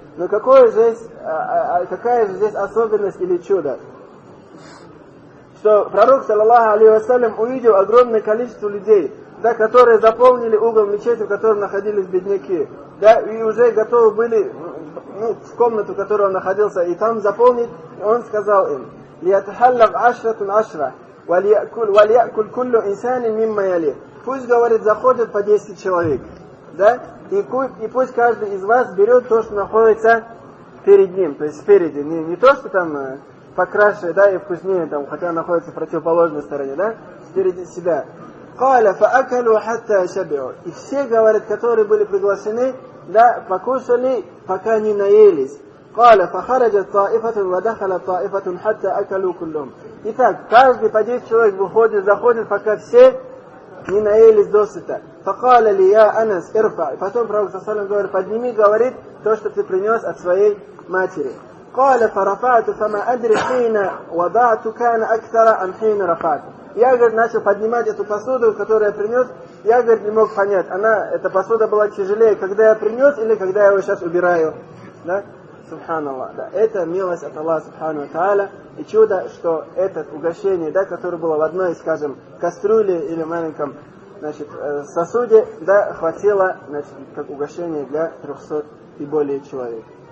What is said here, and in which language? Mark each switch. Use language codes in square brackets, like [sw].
[ru] Но какая же здесь особенность или чудо? Что пророк, саллаллаху алейхи ва саллям, увидел огромное количество людей, да, которые заполнили угол мечети, в котором находились бедняки, да, и уже готовы были, ну, в комнату, в которой он находился, и там заполнить, и он сказал им: [ar] ليتحلق عشرة عشرة وليأكل كل إنسان مما يليه. [ru] Пусть говорит заходит по 10 человек, да? И пусть каждый из вас берет то, что находится перед ним, то есть спереди, не то, что там покраше, да, и вкуснее, там, хотя находится в противоположной стороне, да, впереди себя. [ar] قال فأكلوا حتى شبعوا. [ru] И все говорят, которые были приглашены, да, покушали, пока не наелись. [ar] قال فخرجت طائفة ودخلت طائفة حتى أكلوا كلهم. [ru] Итак, каждый по 10 человек выходит, заходит, пока все не наелись досыта. [ar] فقال لي يا أنس ارفع. [ru] Потом пророк صلى الله عليه وسلم говорит, подними, говорит, то, что ты принес от своей матери. [ar] قال فرفعت فما أدري حين وضعت كان أكثر أم حين رفعت. [ru] Я, говорит, начал поднимать эту посуду, которую я принес, я, говорит, не мог понять, она, эта посуда была тяжелее, когда я принес или когда я его сейчас убираю. Да? Субханаллах. Да. Это милость от Аллаха Субхану ва Тааля. И чудо, что это угощение, да, которое было в одной, скажем, кастрюле или маленьком, значит, сосуде, да, хватило, значит, как угощение для 300 и более человек.